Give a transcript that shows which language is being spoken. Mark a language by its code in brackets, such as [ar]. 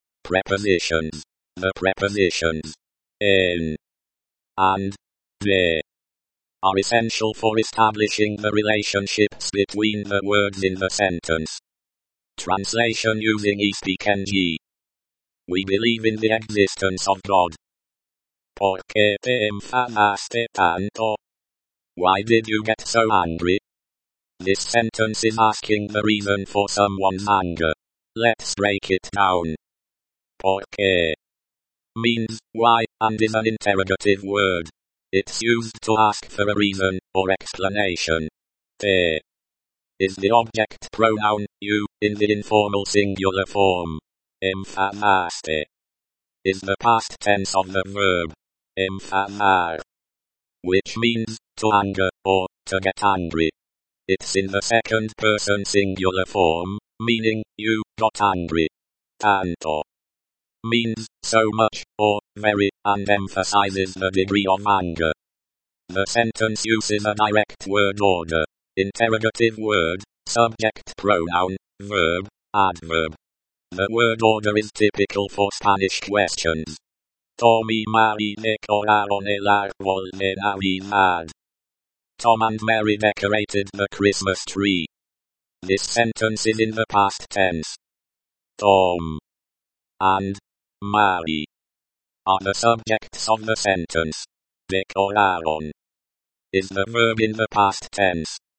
[en] Prepositions. The prepositions. En. And. De. Are essential for establishing the relationships between the words in the sentence. Translation using eSpeak NG. We believe in the existence of God. [es] ¿Por qué te enfadaste tanto? [en] Why did you get so angry? This sentence is asking the reason for someone's anger. Let's break it down. ¿Por qué? Means why, and is an interrogative word. It's used to ask for a reason or explanation. Te is the object pronoun, you, in the informal singular form. Enfadaste is the past tense of the verb. Enfadar, which means to anger or to get angry. It's in the second person singular form, meaning you got angry. Tanto means so much or very, and emphasizes the degree of anger. The sentence uses a direct word order: interrogative word, subject pronoun, verb, adverb. The word order is typical for Spanish questions. [es] Tommy, Mary, decoraron el árbol de Navidad. [en] Tom and Mary decorated the Christmas tree. This sentence is in the past tense. Tom and Mary are the subjects of the sentence. Decoraron is the verb in the past tense.